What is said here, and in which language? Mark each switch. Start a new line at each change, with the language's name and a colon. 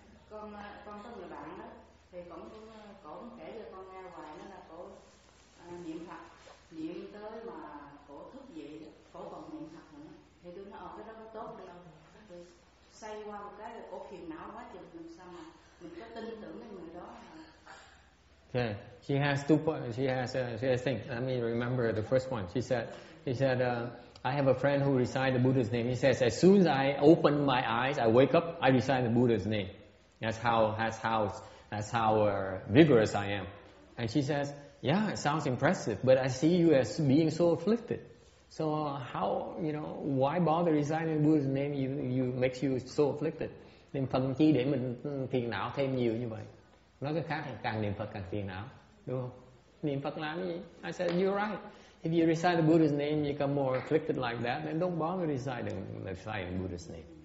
Vietnamese: Con có người bạn đó thì cũng cũng kể cho con nghe hoài, nó là cổ niệm Phật niệm tới mà cổ thức dậy, cổ còn niệm Phật nữa, thì tôi nói cái đó có tốt đâu, thì xoay qua một cái cổ phiền não quá chừng, làm sao mà mình có tin tưởng cái người đó mà.
English: Okay. She has two points. She has a thing. Let me remember the first one. She said, I have a friend who recites the Buddha's name. He says, as soon as I open my eyes, I wake up, I recite the Buddha's name. That's how vigorous I am. And she says, yeah, it sounds impressive, but I see you as being so afflicted. So how, you know, why bother reciting the Buddha's name? You makes you so afflicted.
Vietnamese: Nên phần chi để mình phiền não thêm nhiều như vậy. Nói cái khác, càng niệm Phật càng phiền não, đúng không? Niệm Phật làm gì?
English: I said, you're right. If you recite the Buddha's name, you become more afflicted like that, then don't bother reciting the Buddha's name.